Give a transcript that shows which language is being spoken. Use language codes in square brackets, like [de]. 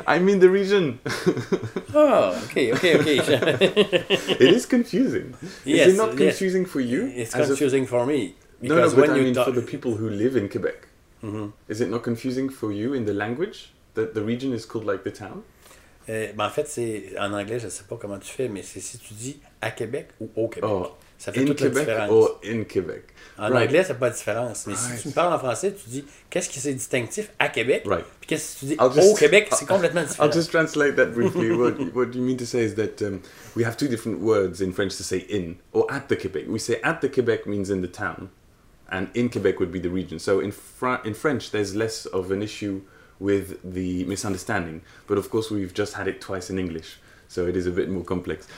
[en] I mean the region. okay. It is confusing. Yes, is it not confusing for you? It's confusing for me. For the people who live in Quebec. Mm-hmm. Is it not confusing for you in the language that the region is called like the town? [fr] Ben en fait, c'est en anglais, je ne sais pas comment tu fais, mais c'est si tu dis à Québec ou au Québec. Oh, ça fait toute Québec la différence. [en] Or in Québec. [fr] En anglais, ça n'a pas de différence. Mais si tu me parles en français, tu dis qu'est-ce qui est distinctif à Québec? [en] Right. [fr] Puis qu'est-ce que tu dis au Québec? C'est complètement différent. [en] I'll just translate that briefly. What you mean to say is that we have two different words in French to say in or at the Québec. We say at the Québec means in the town, and in Québec would be the region. So in French, there's less of an issue with the misunderstanding. But of course, we've just had it twice in English, so it is a bit more complex.